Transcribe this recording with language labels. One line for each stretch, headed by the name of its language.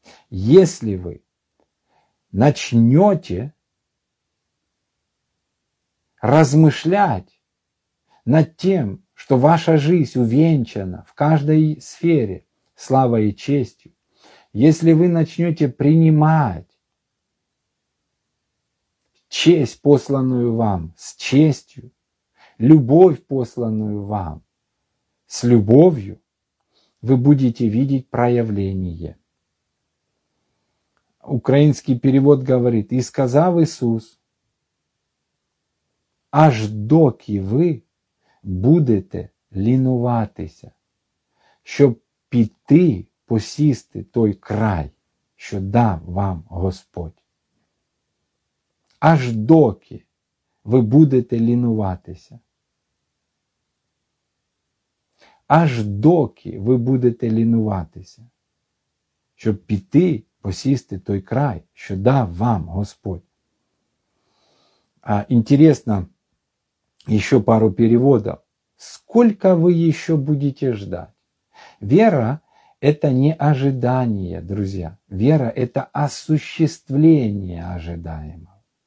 Russian: Если вы начнете размышлять над тем, что ваша жизнь увенчана в каждой сфере славой и честью, если вы начнете принимать честь, посланную вам, с честью, любовь, посланную вам, с любовью, вы будете видеть проявление. Украинский перевод говорит:
Ukrainian: «И сказав Иисус, аж доки вы будете линуватися, щоб піти посісти той край, що дав вам Господь. Аж доки ви будете линуватися. Аж доки ви будете линуватися, щоб піти посісти той край, що дав вам Господь».
Russian: А интересно, еще пару переводов. Сколько вы еще будете ждать? Вера – это не ожидание, друзья. Вера – это осуществление ожидаемого.